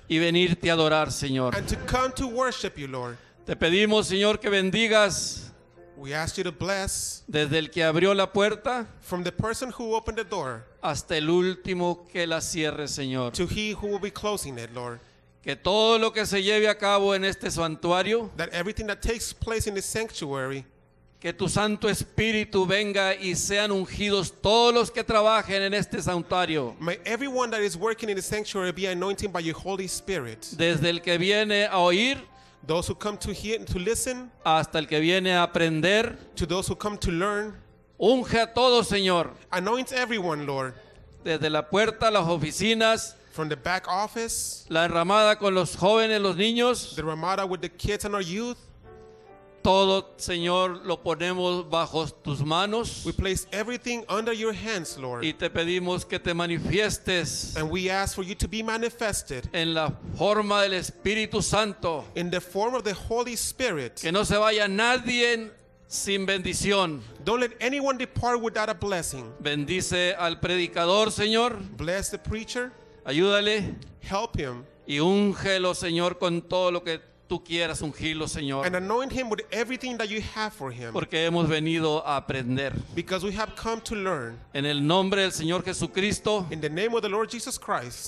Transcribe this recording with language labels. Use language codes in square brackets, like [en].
[es] Y venirte a adorar, Señor. [en] And to come to worship you, Lord. [es] Te pedimos, Señor, que bendigas. [en] We ask you to bless. [es] Desde el que abrió la puerta. [en] From the person who opened the door. [es] Hasta el último que la cierre, Señor. [en] To he who will be closing it, Lord. [es] Que todo lo que se lleve a cabo en este santuario. [en] That everything that takes place in the sanctuary. [es] Que tu Santo Espíritu venga y sean ungidos todos los que trabajen en este santuario. [en] May everyone that is working in the sanctuary be anointed by your Holy Spirit. [es] Desde el que viene a oír. [en] Those who come to hear, to listen. [es] Hasta el que viene a aprender. [en] To those who come to learn. [es] Unge a todos, Señor. [en] Anoint everyone, Lord. [es] Desde la puerta, las oficinas. [en] From the back office. [es] La enramada con los jóvenes, los niños. [en] The ramada with the kids and our youth. [es] Todo, Señor, lo ponemos bajo tus manos. [en] We place everything under your hands, Lord. [es] Y te pedimos que te manifiestes. [en] And we ask for you to be manifested. [es] En la forma del Espíritu Santo. [en] In the form of the Holy Spirit. [es] Que no se vaya nadie sin bendición. [en] Don't let anyone depart without a blessing. [es] Bendice al predicador, Señor. [en] Bless the preacher. [es] Ayúdale. [en] Help him. [es] Y úngelo, Señor, con todo lo que tú quieras ungirlo, Señor. [en] And anoint him with everything that you have for him. [es] Porque hemos venido a aprender. [en] Because we have come to learn. [es] En el nombre del Señor Jesucristo. [en] In the name of the Lord Jesus Christ.